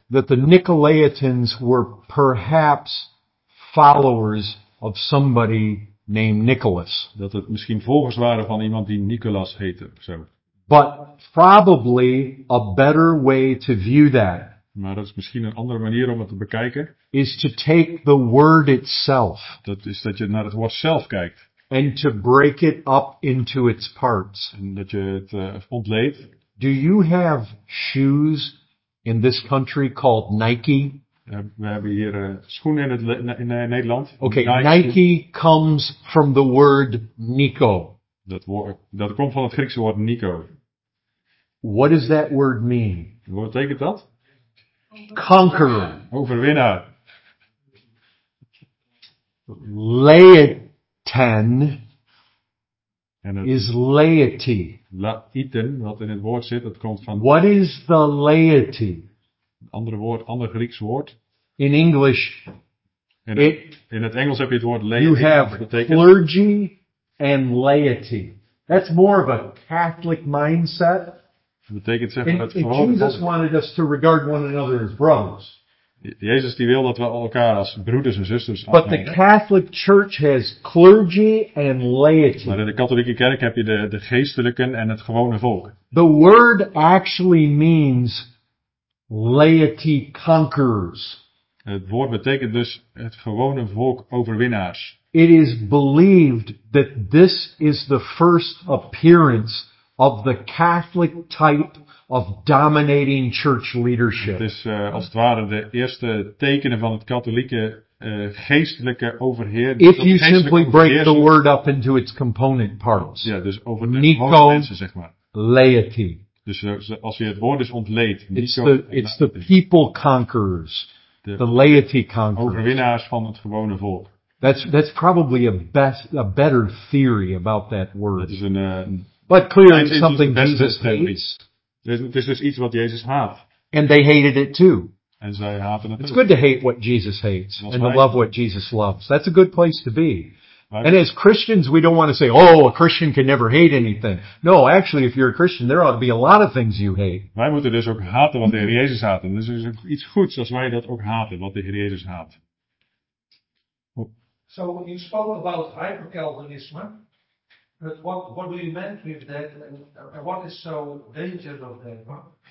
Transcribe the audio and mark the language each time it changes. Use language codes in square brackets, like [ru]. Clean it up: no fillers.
[en] That the Nicolaitans were perhaps followers of somebody named Nicholas. [nl] Dat het misschien volgers waren van iemand die Nicolaas heette, zo. [en] But probably a better way to view that. [nl] Maar dat is misschien een andere manier om het te bekijken. [en] Is to take the word itself. [nl] Dat is dat je naar het woord zelf kijkt. [en] And to break it up into its parts. [nl] En dat je het ontleedt. [en] Do you have shoes in this country called Nike? [nl] We hebben hier schoenen in Nederland. [en] Okay, Nike comes from the word Nico. [nl] Dat komt van het Griekse woord Niko. [en] What does that word mean? [nl] Wat betekent dat? [en] Conqueror. [nl] Overwinnaar. [en] Laeten is laity. [nl] Laeten, wat in het woord zit, dat komt van... [en] What is the laity? [nl] Andere woord, ander Grieks woord. [en] In English. [nl] In het Engels heb je het woord laity. [en] You have clergy. And laity. That's more of a Catholic mindset. [nl] Betekent zeg maar het gewoon. [en] Jesus wanted us to regard one another as brothers. [nl] Jezus die wil dat we elkaar als broeders en zusters afnemen. [en] But the Catholic Church has clergy and laity. [nl] Maar in de katholieke kerk heb je de geestelijken en het gewone volk. [en] The word actually means laity conquerors. [nl] Het woord betekent dus het gewone volk overwinnaars. [en] It is believed that this is the first appearance of the Catholic type of dominating church leadership. [nl] Het is als het ware de eerste tekenen van het katholieke geestelijke overheer. [en] If you simply break the word up into its component parts. [nl] Ja, dus over de Nico, mensen, zeg maar. [en] Laity. [nl] Dus als je het woord dus ontleedt. [en] It's the people conquerors. The laity conquerors. [nl] Overwinnaars van het gewone volk. [en] That's probably a better theory about that word. [nl] Is een, [en] but clearly it's something Jesus hates. [nl] Het is dus iets wat Jezus haat. [en] And they hated it too. [nl] En zij haten het [en] it's [nl] ook. [en] Good to hate what Jesus hates and to love what Jesus loves. That's a good place to be. And as Christians, we don't want to say, oh, a Christian can never hate anything. No, actually, if you're a Christian, there ought to be a lot of things you hate. [nl] Wij moeten dus ook haten wat de Heer Jezus haat. En dus is iets goeds als wij dat ook haten, wat de Heer Jezus haat. [en] So when you spoke about hyper-Calvinism, but what do you mean with that, and what is so dangerous of that?